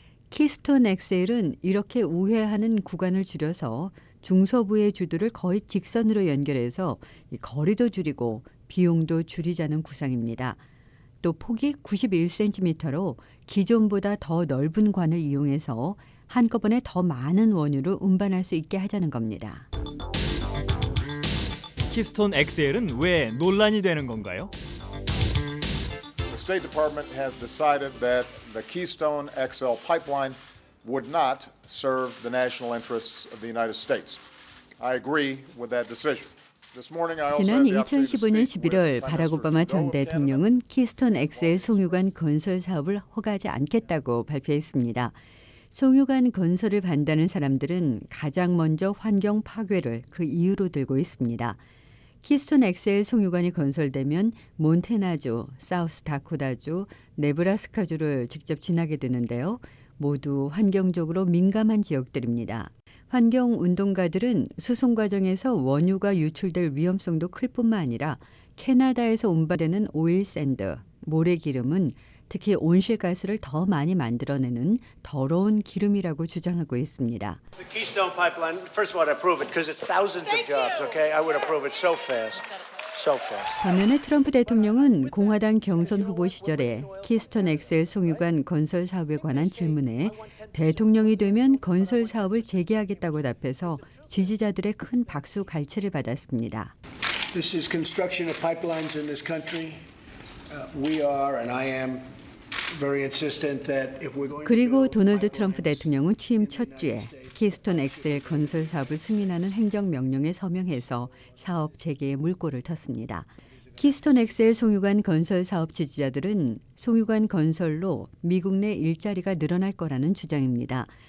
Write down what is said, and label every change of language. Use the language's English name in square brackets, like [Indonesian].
[Korean] 키스톤 엑셀은 이렇게 우회하는 구간을 줄여서 중서부의 주들을 거의 직선으로 연결해서 거리도 줄이고 비용도 줄이자는 구상입니다. 또 폭이 91cm로 기존보다 더 넓은 관을 이용해서 한꺼번에 더 많은 원유를 운반할 수 있게 하자는 겁니다. 키스톤 엑셀은 왜 논란이 되는 건가요? [English] State Department has decided that the Keystone XL pipeline would not serve the national interests of the United States. I agree with that decision. This morning, I also [Korean] 지난 2015년 11월 바락 오바마 전 대통령은 키스톤 XL 송유관 건설 사업을 허가하지 않겠다고 발표했습니다. 송유관 건설을 반대하는 사람들은 가장 먼저 환경 파괴를 그 이유로 들고 있습니다. 키스톤 엑셀 송유관이 건설되면 몬태나주, 사우스 다코타주, 네브라스카주를 직접 지나게 되는데요. 모두 환경적으로 민감한 지역들입니다. 환경운동가들은 수송 과정에서 원유가 유출될 위험성도 클 뿐만 아니라 캐나다에서 운반되는 오일샌드, 모래기름은 특히 온실가스를 더 많이 만들어내는 더러운 기름이라고 주장하고 있습니다. [English] The Keystone Pipeline, first of all, I approve it because it's thousands of jobs, okay? I would approve it so fast. [Korean] 반면에 트럼프 대통령은 공화당 경선 후보 시절에 키스톤 엑셀 송유관 건설 사업에 관한 질문에 대통령이 되면 건설 사업을 재개하겠다고 답해서 지지자들의 큰 박수 갈채를 받았습니다. [English] This is construction of pipelines in this country. We are and I am very insistent that if we're going. [Korean] 그리고 도널드 트럼프 대통령은 취임 첫 주에 키스톤 엑셀 건설 사업을 승인하는 행정명령에 서명해서 사업 재개에 물꼬를 텄습니다. 키스톤 엑셀 송유관 건설 사업 지지자들은 송유관 건설로 미국 내 일자리가 늘어날 거라는 주장입니다.